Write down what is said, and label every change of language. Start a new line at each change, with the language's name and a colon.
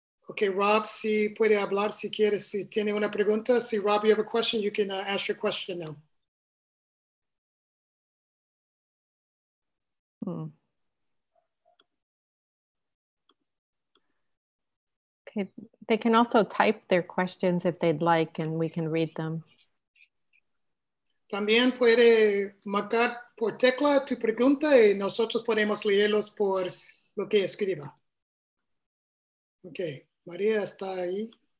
Spanish: Okay, Rob, si puede hablar, si quiere, si tiene una pregunta.
English: Si, Rob, you have a question, you can ask your question now. Okay, they can also type their questions if they'd like, and we can read them.
Spanish: También puede marcar por tecla tu pregunta y nosotros podemos leerlos por lo que escriba. Okay. María está ahí.